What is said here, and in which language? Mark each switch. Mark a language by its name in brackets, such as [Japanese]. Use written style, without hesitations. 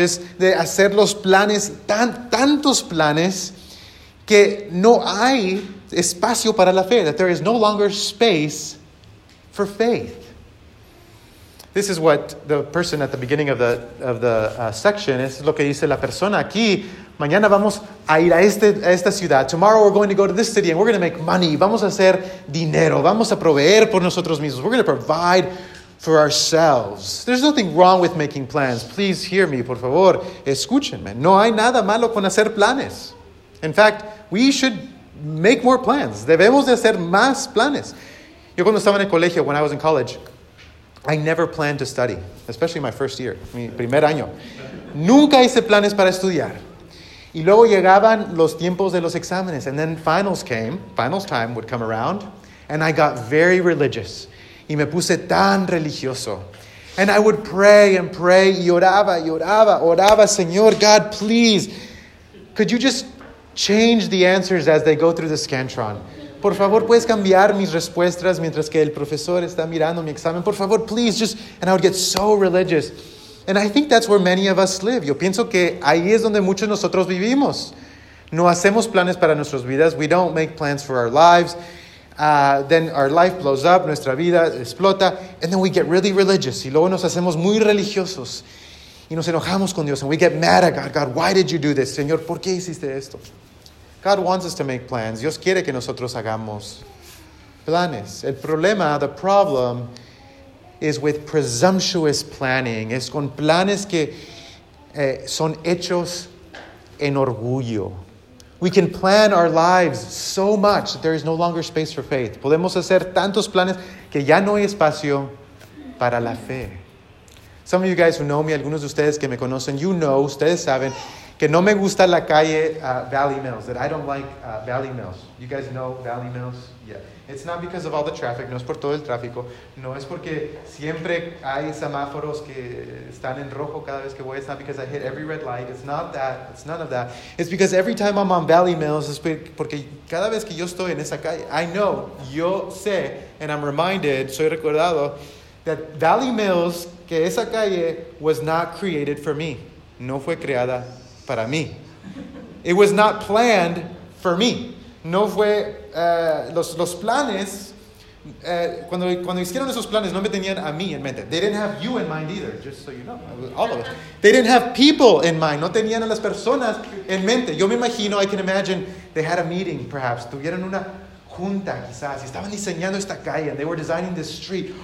[Spanish] Es de hacer los planes, tantos planes, que no hay espacio para la fe. [English] That there is no longer space for faith. This is what the person at the beginning of the section is. [Spanish] Lo que dice la persona aquí. Mañana vamos a ir a esta ciudad. [English] Tomorrow we're going to go to this city and we're going to make money. [Spanish] Vamos a hacer dinero. Vamos a proveer por nosotros mismos. [English] We're going to provide for ourselves. There's nothing wrong with making plans. Please hear me, [Spanish] por favor. Escúchenme. No hay nada malo con hacer planes. [English] In fact, we should make more plans. [Spanish] Debemos de hacer más planes. Yo cuando estaba en el colegio, [English] when I was in college, I never planned to study, especially my first year, [Spanish] mi primer año. Nunca hice planes para estudiar. Y luego llegaban los tiempos de los exámenes. [English] And then finals came, finals time would come around, and I got very religious. [Spanish] Y me puse tan religioso. [English] And I would pray and pray, [Spanish] y oraba, oraba, Señor, [English] God, please, could you just change the answers as they go through the Scantron? [Spanish] Por favor, ¿puedes cambiar mis respuestas mientras que el profesor está mirando mi examen? Por favor, [English] please, just, and I would get so religious. And I think that's where many of us live. [Spanish] Yo pienso que ahí es donde muchos de nosotros vivimos. No hacemos planes para nuestras vidas. [English] We don't make plans for our lives. Then our life blows up. [Spanish] Nuestra vida explota. [English] And then we get really religious. [Spanish] Y luego nos hacemos muy religiosos. Y nos enojamos con Dios. [English] And we get mad at God. God, why did you do this? [Spanish] Señor, ¿por qué hiciste esto? [English] God wants us to make plans. [Spanish] Dios quiere que nosotros hagamos planes. [English] The problem is with presumptuous planning. [Spanish] Es con planes que son hechos en orgullo. [English] We can plan our lives so much that there is no longer space for faith. [Spanish] Podemos hacer tantos planes que ya no hay espacio para la fe. [English] Some of you guys who know me, [Spanish] algunos de ustedes que me conocen, [English] you know, [Spanish] ustedes saben que no me gusta la calle Valley Mills, [English] that I don't like Valley Mills. You guys know Valley Mills? Yeah. It's not because of all the traffic, [Spanish] no es por todo el tráfico, no es porque siempre hay semáforos que están en rojo cada vez que voy, [English] it's not because I hit every red light, it's not that, it's none of that. It's because every time I'm on Valley Mills, [Spanish] es porque cada vez que yo estoy en esa calle, [English] I know, [Spanish] yo sé, [English] and I'm reminded, [Spanish] soy recordado, [English] that Valley Mills, [Spanish] que esa calle, [English] was not created for me. [Spanish] No fue creada para mí. [English] It was not planned for me. [Spanish] No fue los planes cuando hicieron esos planes no me tenían a mí en mente. [English] They didn't have you in mind either, just so you know. All of us. They didn't have people in mind. [Spanish] No tenían a las personas en mente. Yo me imagino, [English] I can imagine they had a meeting perhaps. [Spanish] Tuvieron una junta quizás. Y estaban diseñando esta calle [English] and they were designing this street.